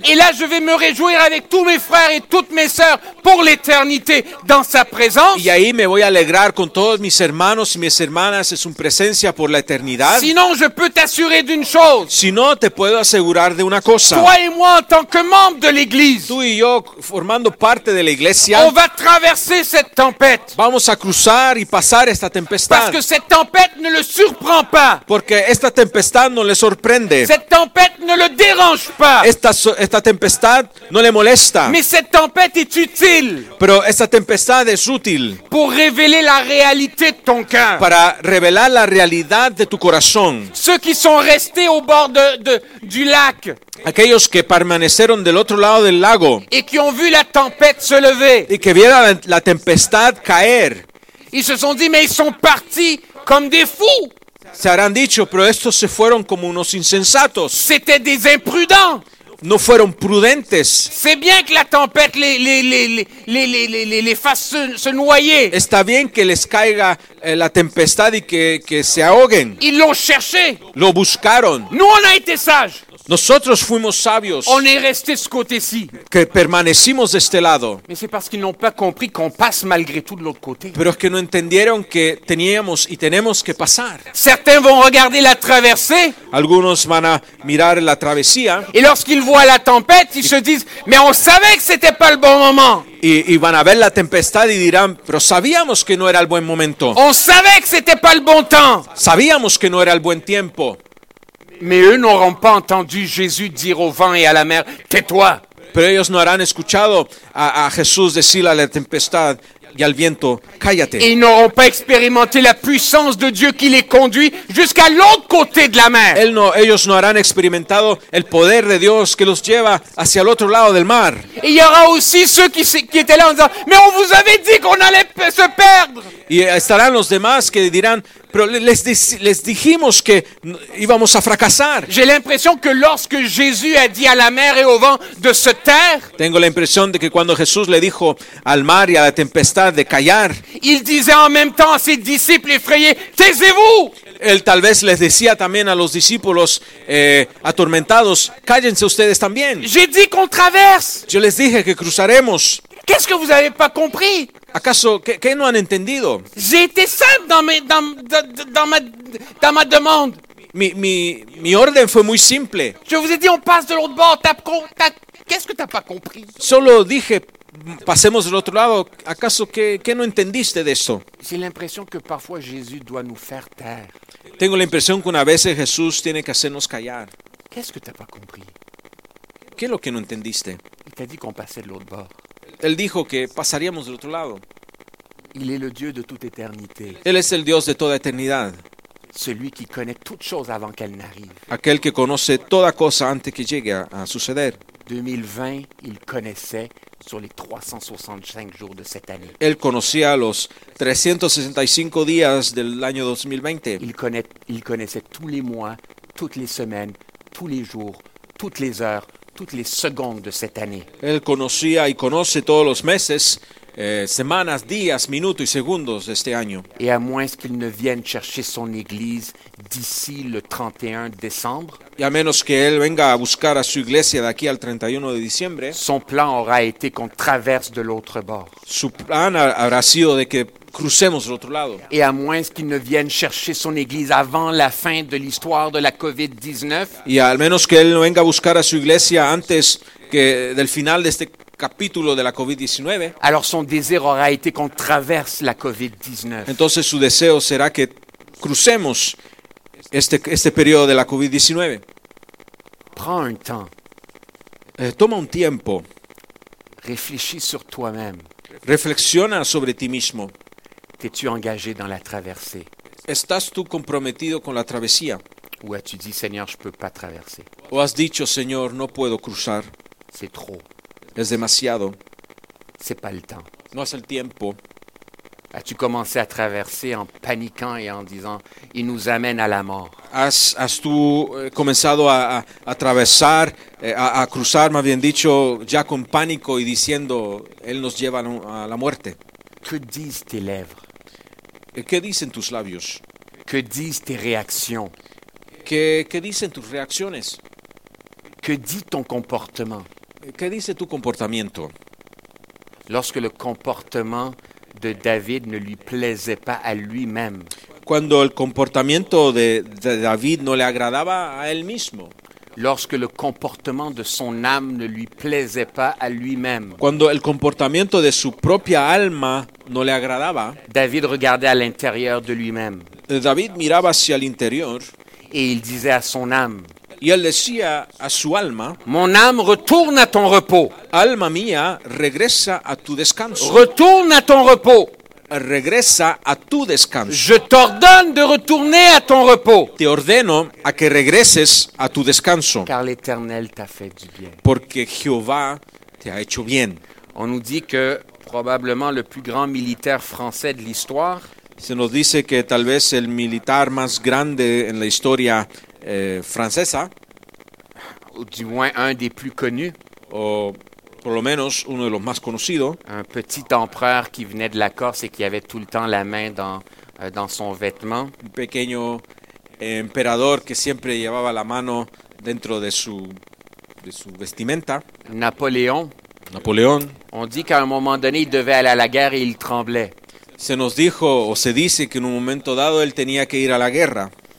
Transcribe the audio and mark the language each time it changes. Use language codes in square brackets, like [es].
[fr] et là je vais me réjouir avec tous mes frères et toutes mes sœurs pour l'éternité dans sa présence, [es] y ahí me voy a alegrar con todos mis hermanos y mis hermanas en su presencia por la eternidad. [fr] Sinon je peux t'assurer d'une chose, [es] sino te puedo asegurar de una cosa, [fr] toi et moi en tant que membre de l'église, [es] tú y yo formando parte de la iglesia, [fr] on va traverser cette tempête. [es] Vamos a cruzar y pasar esta tempestad. [fr] Parce que cette tempête ne le surprend pas. [es] Porque esta tempestad no le sorprende. [fr] Cette tempête ne le dérange pas. [es] Esta tempestad no le molesta. [fr] Mais cette tempête est utile. [es] Pero esta tempestad es útil. [fr] Pour révéler la réalité de ton cœur. [es] Para revelar la realidad de tu corazón. [fr] Ceux qui sont restés au bord du lac. [es] Aquellos que permanecieron del otro lado del lago. Y que han visto la [fr] tempête se lever. [es] Y que vieron la tempestad caer. [fr] Ils se sont dit, mais ils sont partis comme des fous. [es] Se habrán dicho, pero estos se fueron como unos insensatos. [fr] C'était des imprudents. [es] No fueron prudentes. [fr] C'est bien que la tempête les fasse se noyer. [es] Está bien que les caiga la tempestad y que se ahoguen. [fr] Ils l'ont cherché. [es] Lo buscaron. [fr] Nous on a été sages. [es] Nosotros fuimos sabios. [fr] On est resté ce côté-ci. [es] Que permanecimos de este lado. [fr] Mais c'est parce qu'ils n'ont pas compris qu'on passe malgré tout de l'autre côté. [es] Pero es que no entendieron que teníamos y tenemos que pasar. [fr] Certains vont regarder la traversée. [es] Algunos van a mirar la travesía. [fr] Et lorsqu'ils voient la tempête, ils se disent, mais on savait que c'était pas le bon moment. [es] Y van a ver la tempestad y dirán, pero sabíamos que no era el buen momento. [fr] On savait que c'était pas le bon temps. [es] Sabíamos que no era el buen tiempo. [fr] Mais eux n'auront pas entendu Jésus dire au vent et à la mer, tais-toi. [es] Pero ellos no habrán escuchado a Jesús decir a la tempestad y al viento, cállate. [fr] Et ils n'auront pas expérimenté la puissance de Dieu qui les conduit jusqu'à l'autre côté de la mer. [es] Ellos no habrán experimentado el poder de Dios que los lleva hacia el otro lado del mar. [fr] Et il y aura aussi ceux qui étaient là en disant, mais on vous avait dit qu'on allait se perdre. [es] Y estarán los demás que dirán, pero les dijimos que íbamos a fracasar. [fr] J'ai l'impression que lorsque Jésus a dit à la mer et au vent de se taire, [es] tengo la impresión de que cuando Jesús le dijo al mar y a la tempestad de callar, [fr] il disait en même temps à ses disciples effrayés, taisez-vous. [es] Él tal vez les decía también a los discípulos atormentados, cállense ustedes también. [fr] J'ai dit qu'on traverse. [es] Yo les dije que cruzaremos. [fr] Qu'est-ce que vous avez pas compris? [es] ¿Acaso qué no han entendido? [fr] J'ai été simple dans ma demande. [es] Mi orden fue muy simple. [fr] Je vous ai dit on passe de l'autre bord. Qu'est-ce que t'as pas compris? [es] Solo dije pasemos del otro lado. ¿Acaso qué no entendiste de esto? [fr] J'ai l'impression que parfois Jésus doit nous faire taire. [es] Tengo la impresión que una vez Jesús tiene que hacernos callar. [fr] Qu'est-ce que t'as pas compris? [es] ¿Qué es lo que no entendiste? [fr] Il t'a dit qu'on passait de l'autre bord. [es] Él dijo que pasaríamos del otro lado. [fr] Il est le Dieu de toute éternité. [es] Él es el Dios de toda eternidad. [fr] Celui qui connaît toute chose avant qu'elle n'arrive. [es] Aquel que conoce toda cosa antes que llegue a suceder. [fr] 2020, il connaissait sur les 365 jours de cette année. [es] Él conocía los 365 días del año 2020. [fr] Il connaissait tous les mois, toutes les semaines, tous les jours, toutes les heures, toutes les secondes de cette année. [es] Él conocía y conoce todos los meses, semanas, días, minutos y segundos de este año. [fr] Et à moins qu'il ne vienne chercher son église d'ici le 31 décembre. [es] Y a menos que él venga a buscar a su iglesia de aquí al 31 de diciembre. [fr] Son plan aura été qu'on traverse de l'autre bord. [es] Su plan habrá sido de que crucemos de [fr] l'autre [es] lado. [fr] Et à moins qu'il ne vienne chercher son église avant la fin de l'histoire de la COVID-19. [es] Y al menos que él no venga a buscar a su iglesia antes que del final de este capítulo de la COVID-19. [fr] Alors son désir aura été qu'on traverse la COVID-19. [es] Entonces su deseo será que crucemos este periodo de la COVID-19. [fr] Prends un temps. [es] Toma un tiempo. [fr] Réfléchis sur toi-même. [es] Reflexiona sobre ti mismo. [fr] T'es-tu engagé dans la traversée? [es] ¿Estás tú comprometido con la travesía? [fr] Ou as-tu dit, Seigneur, je peux pas traverser? [es] ¿O has dicho, Señor, no puedo cruzar? [fr] C'est trop. [es] Es demasiado. [fr] C'est pas le temps. [es] No es el tiempo. [fr] As-tu commencé à traverser en paniquant et en disant, il nous amène à la mort? [es] ¿Has tú comenzado a atravesar, a cruzar, más bien dicho, ya con pánico y diciendo, él nos lleva a la muerte? [fr] Que disent tes lèvres? [es] ¿Qué dicen tus labios? [fr] Que disent tes réactions? [es] ¿Qué dicen tus reacciones? [fr] Que dit ton comportement? [es] ¿Qué dice tu comportamiento? [fr] Lorsque le comportement de David ne lui plaisait pas à lui-même. [es] Cuando el comportamiento de David no le agradaba a él mismo. [fr] Lorsque le comportement de son âme ne lui plaisait pas à lui-même. [es] Cuando el comportamiento de su propia alma no le agradaba. [fr] David regardait à l'intérieur de lui-même. [es] David miraba hacia el interior. [fr] Et il disait à son âme. [es] Y él decía a su alma. [fr] Mon âme, retourne à ton repos. [es] Alma mía, regresa a tu descanso. [fr] Retourne à ton repos. [es] Regresa a tu descanso. [fr] Je t'ordonne de retourner à ton repos. [es] Te ordeno a que regreses a tu descanso. [fr] Car l'Éternel t'a fait du bien. [es] Porque Jehová te ha hecho bien. [fr] On nous dit que probablement le plus grand militaire français de l'histoire. [es] Se nos dice que tal vez el militar más grande en la historia francesa. [fr] Ou du moins un des plus connus. [es] O por lo menos uno de los más conocidos. [fr] Un petit empereur qui venait de la Corse et qui avait tout le temps la main dans son vêtement. [es] Un pequeño emperador que siempre llevaba la mano dentro de su vestimenta. [fr] Napoléon. On dit qu'à un moment donné, il devait aller à la guerre et il tremblait. [es] Se nos dijo o se dice que en un momento dado él tenía que ir a la guerra.